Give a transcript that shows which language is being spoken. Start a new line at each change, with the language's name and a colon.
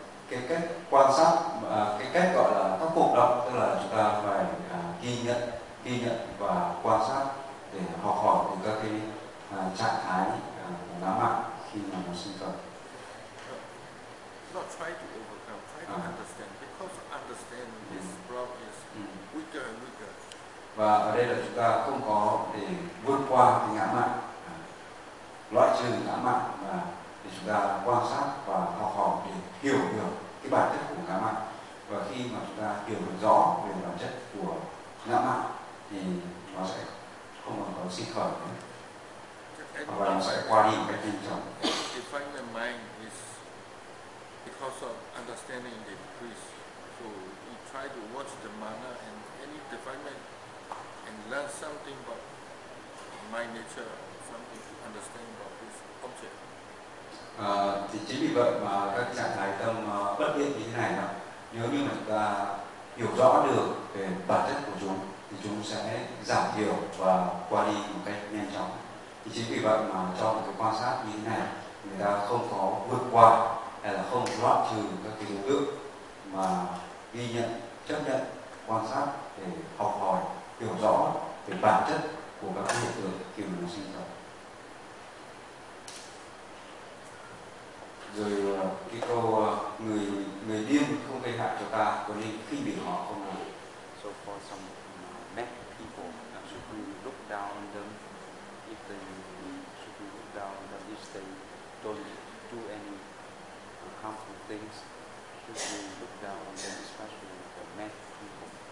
Vietnamese: cái cách quan sát, cái cách gọi là khắc phục đó, tức là chúng ta phải ghi nhận và quan sát để học hỏi từ các cái trạng thái ngã mạn khi mà nó sinh khởi.
English: Not try to overcome, try to understand, because understand this problem is weaker and weaker.
Vietnamese: Và ở đây là chúng ta không có để vượt qua cái ngã mạn, loại trừ ngã mạn, mà để chúng ta quan sát và học hỏi để hiểu được cái bản chất của ngã mạn. Và khi mà chúng ta hiểu được rõ về bản chất của ngã mạn thì nó sẽ không còn có sinh khởi nữa, và nó sẽ qua đi một cách nhanh chóng.
English: Because of understanding the priest, so he try to watch the mana and any defilement and learn something about my nature, something to understand about this object.
Vietnamese: Thì chính vì vậy mà các trạng thái tâm bất thiện như thế này, nếu như mà chúng ta hiểu rõ được về bản chất của chúng thì chúng sẽ giảm thiểu và qua đi một cách nhanh chóng. Thì chính vì vậy mà trong cái quan sát như thế này, người ta không có vượt qua hay là không loại trừ các cái đối tượng, mà ghi nhận, chấp nhận, quan sát để học hỏi, hiểu rõ về bản chất của các cái hiện tượng khi mà nó sinh ra. Rồi cái câu người điên không gây hại cho ta có nên khinh bỉ họ không ạ?
English: So for some mad people, should we look down on them? If they should we look down on them, if they don't do any harmful things, should we look down on them, especially the mad people?